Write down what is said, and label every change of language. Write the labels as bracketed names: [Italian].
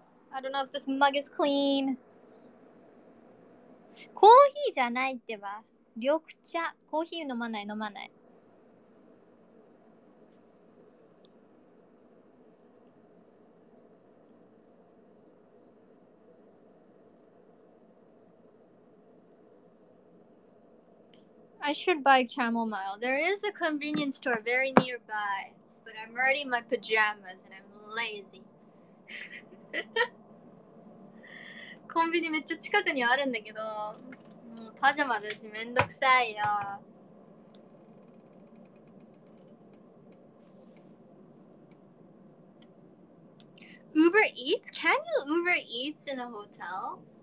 [English] I don't know if this mug is clean. [Japanese] コーヒーじゃないってば。緑茶。コーヒー飲まない飲まない。 [English] I should buy chamomile. There is a convenience store very nearby, but I'm already in my pajamas and I'm lazy. [Japanese] コンビニめっちゃ近くにあるんだけど、もうパジャマだしめんどくさいよ。 [English] Uber Eats? Can you Uber Eats in a hotel?